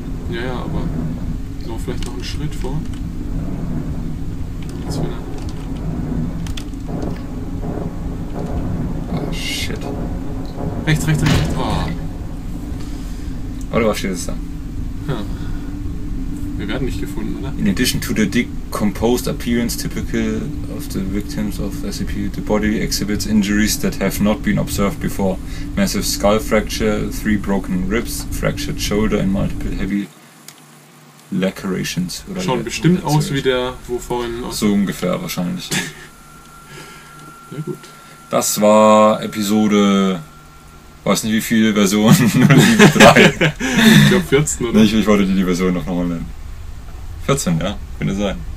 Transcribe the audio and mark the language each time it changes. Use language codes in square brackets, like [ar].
[de] Ja, ja, aber so vielleicht noch einen Schritt vor. Jetzt wieder. Oh, shit. Rechts, rechts, rechts. Oh. Oder was steht es da? Ja. Wir werden nicht gefunden, oder? [en] In addition to the decomposed appearance typical of the victims of SCP, the body exhibits injuries that have not been observed before. Massive skull fracture, 3 broken ribs, fractured shoulder and multiple heavy lacerations. [de] Oder schauen bestimmt aus gehört. Wie der, wo vorhin... So ungefähr wahrscheinlich. Na ja, gut. Das war Episode... Weiß nicht wie viele Versionen, nur die 3. Ich glaube 14, oder? Nee, ich wollte dir die Version noch mal nennen. 14, ja, könnte sein.